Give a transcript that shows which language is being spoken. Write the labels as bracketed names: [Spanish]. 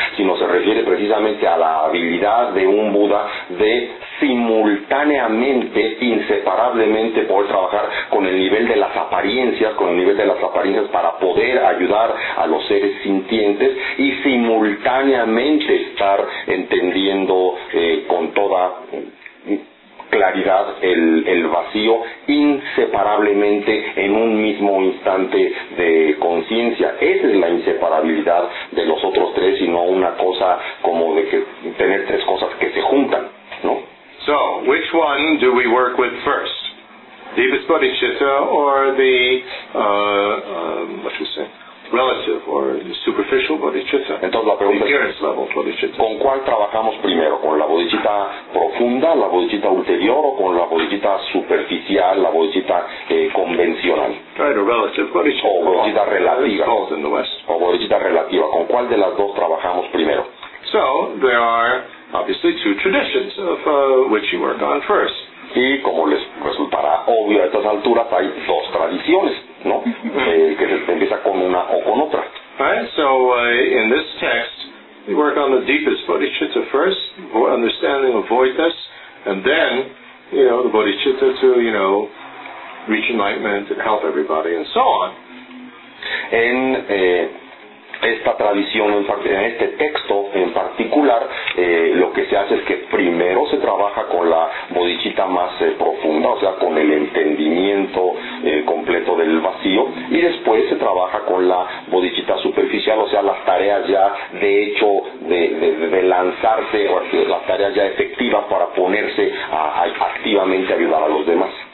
[Spanish] sino se refiere precisamente a la habilidad de un Buda de simultáneamente, inseparablemente poder trabajar con el nivel de las apariencias, con el nivel de las apariencias para poder ayudar a los seres sintientes y simultáneamente estar entendiendo con toda claridad el vacío inseparablemente en un mismo instante de conciencia. Esa es la inseparabilidad de los otros tres y no una cosa como de que tener tres cosas que se juntan, ¿no? [English] So, which one do we work with first? Deepest bodhicitta or the, what should we say? Relative or superficial bodhicitta. [Spanish] Entonces la pregunta es, bodhicitta. ¿Con cuál trabajamos primero? ¿Con la bodhicitta profunda, la bodhicitta ulterior, o con la bodhicitta superficial, la bodhicitta convencional? [English] Right, or relative bodhicitta. [Spanish] O bodhicitta relativa. [English] In the West. [Spanish] O bodhicitta relativa. ¿Con cuál de las dos trabajamos primero? [English] So, there are obviously two traditions of which you work on first. [Spanish] Y como les resultará obvio a estas alturas, hay dos tradiciones, ¿no? Que se empieza con una o con otra. [English] Right, so in this text, we work on the deepest bodhicitta first, understanding of voidness, and then, you know, the bodhicitta to, you know, reach enlightenment and help everybody, and so on. [Spanish] Esta tradición, en este texto en particular, lo que se hace es que primero se trabaja con la bodhicitta más profunda, o sea, con el entendimiento completo de del vacío, y después se trabaja con la bodichita superficial, o sea, las tareas ya de hecho de lanzarse, o las tareas ya efectivas para ponerse a activamente ayudar a los demás.